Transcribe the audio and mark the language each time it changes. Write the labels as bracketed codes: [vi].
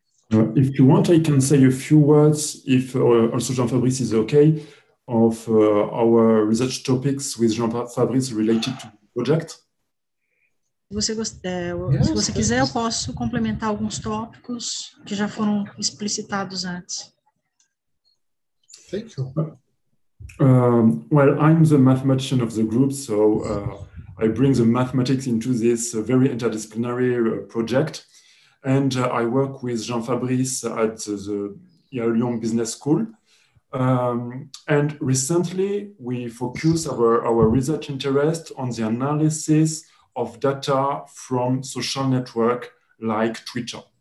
[en] If you want, I can say a few words, if also Jean-Fabrice is okay, of our research topics with Jean-Fabrice related to the project. [pt] Se você quiser, eu posso complementar alguns tópicos que já foram explicitados antes. [en] Thank you. Well, I'm the mathematician of the group, so I bring the mathematics into this very interdisciplinary project. And I work with Jean-Fabrice at the Yale Lyon Business School. And recently, we focus our research interest on the analysis of data from social network like Twitter.